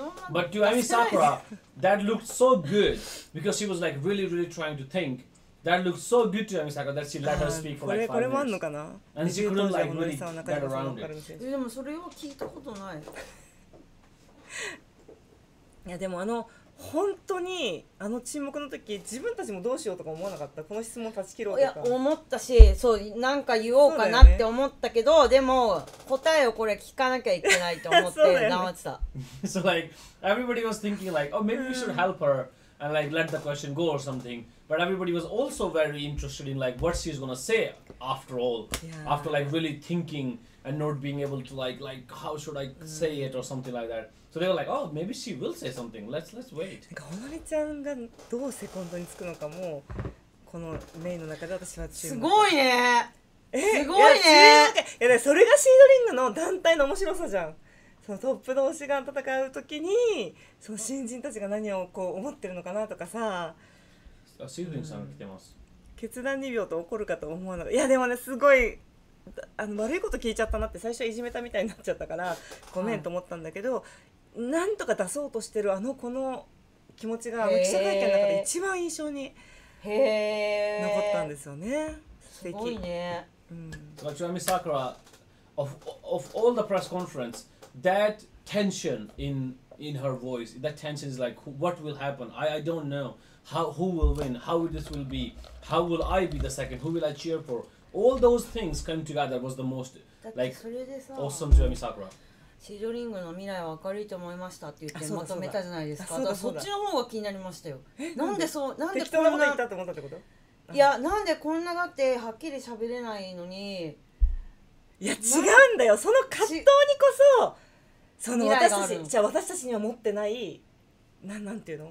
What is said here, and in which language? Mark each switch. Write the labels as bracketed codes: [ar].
[en] But to Ami Sakura, that looked so good because she was like really, really trying to think. That looked so good to Ami Sakura that she let her speak for like 5 minutes. And she couldn't like really get around it. [ja] でもそれは聞いたことない。いやでもあの。本当にあの沈黙の時自分たちもどうしようとか思わなかった、この質問断ち切ろうとか。いや思ったし、そうなんか言おうかなって思ったけど、ね、でも答えをこれ聞かなきゃいけないと思って黙ってた。 [en] So like everybody was thinking like, oh maybe we should help her and like let the question go or something, but everybody was also very interested in like what she's gonna say after all, after like really thinking and not being able to like how should I say it or something like that. So they were like, oh, maybe she will say something. Let's wait. [ja] なんかほのりちゃんがどうセコンドにつくのかも、このメインの中で私は注目。すごいね。え、すごいね。いやそれがシードリングの団体の面白さじゃん。そのトップ同士が戦うときに、その新人たちが何をこう思ってるのかなとかさ。あ、シードリングさんが来てます。決断2秒と怒るかと思わなかった。いやでもね、すごい。あの悪いこと聞いちゃったなって最初いじめたみたいになっちゃったからごめんと思ったんだけど、なんとか出そうとしてるあの子の気持ちが記者会見の中で一番印象に残ったんですよね。素敵、すごいね。 [en] But to Ami Sakura, of all the press conference, that tension in her voice, that tension is like, what will happen? I don't know. Who will win? How this will be? How will I be the second? Who will I cheer for? All those things coming together was the most like awesome to Ami Sakura. [ja] シードリングの未来は明るいと思いましたって言ってまとめたじゃないですか。だからそっちの方が気になりましたよ。なんでそう、なんでこんな適当なこと言ったと思ったってこと？いや、なんでこんなだってはっきり喋れないのに。いや違うんだよ。その葛藤にこそその私たち、じゃあ私たちには持ってないなんていうの？